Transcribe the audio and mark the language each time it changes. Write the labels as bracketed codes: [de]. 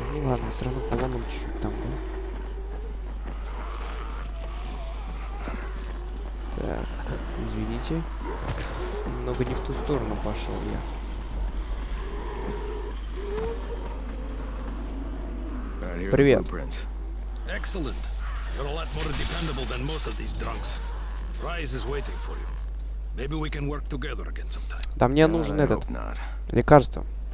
[ru] Ну ладно, все равно поломан чуть-чуть там, да? Так, извините. Немного не в ту сторону пошел я. Привет. [en] Excellent. You're a lot more dependable than most of these drunks. Rise is waiting for you. Maybe we can work together again sometime. [ru] Да мне нужен этот лекарство.